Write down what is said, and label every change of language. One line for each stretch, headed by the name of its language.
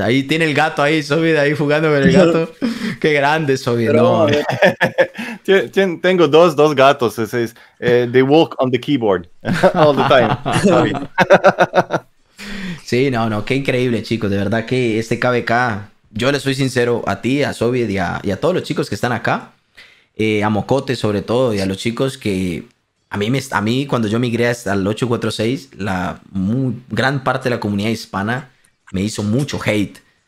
Spanish: Ahí tiene el gato ahí, Sobid, ahí jugando con el gato. Qué grande, Sobid. Pero, no, tengo dos gatos.
English: They walk on the keyboard all the time.
Spanish: Sí, no, qué increíble, chicos. De verdad que este KVK, yo le soy sincero a ti, a Sobid y a todos los chicos que están acá, a Mocote sobre todo, y a los chicos que A mí, cuando yo migré hasta el 846, la gran parte de la comunidad hispana me hizo mucho hate.